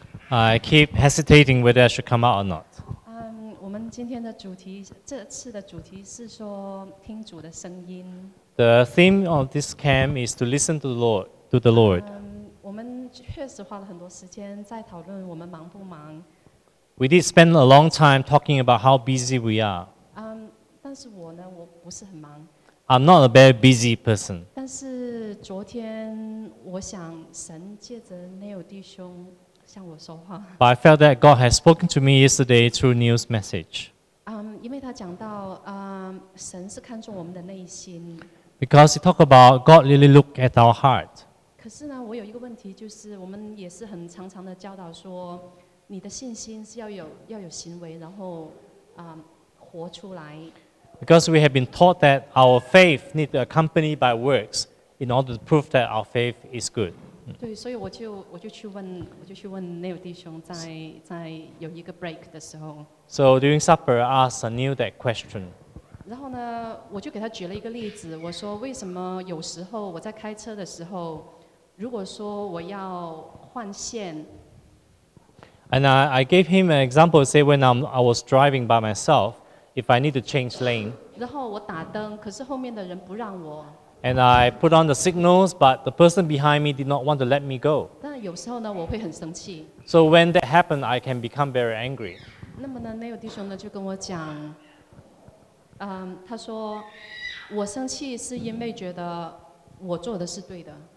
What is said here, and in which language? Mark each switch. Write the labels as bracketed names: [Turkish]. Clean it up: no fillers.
[English] I keep hesitating whether I should come out or not. [Chinese] 我们今天的主题，这次的主题是说听主的声音。 [English] The theme of this camp is to listen to the Lord. We [Chinese] 们确实花了很多时间在讨论我们忙不忙。 [English] We did spend a long time talking about how busy we are. [Chinese] 但是我呢，我不是很忙。 [English] I'm not a very busy person. [Chinese] 但是昨天，我想神借着 Neil 弟兄向我说话。 [English] But I felt that God has spoken to me yesterday through Neil's message. [Chinese] 因为他讲到，神是看重我们的内心。 [English] Because he talked about God really look at our heart. [Chinese] 可是呢，我有一个问题，就是我们也是很常常的教导说，你的信心是要有行为，然后，活出来。 [English] Because we have been taught that our faith needs to be accompanied by works in order to prove that our faith is good. [Chinese] 对，所以我就去问 Neil 弟兄在有一个 break 的时候。 [English] So during supper, I asked Neil that question. [Chinese] 然后呢，我就给他举了一个例子，我说为什么有时候我在开车的时候，如果说我要换线。 [English] And I gave him an example, say when I was driving by myself. If I need to change lane, [Chinese] 然后我打灯，可是后面的人不让我。 [English] And I put on the signals, but the person behind me did not want to let me go. [Chinese] 但有时候呢，我会很生气。 [English] So when that happened, I can become very angry. [Chinese] 那么呢，那个弟兄呢就跟我讲，他说我生气是因为觉得我做的是对的。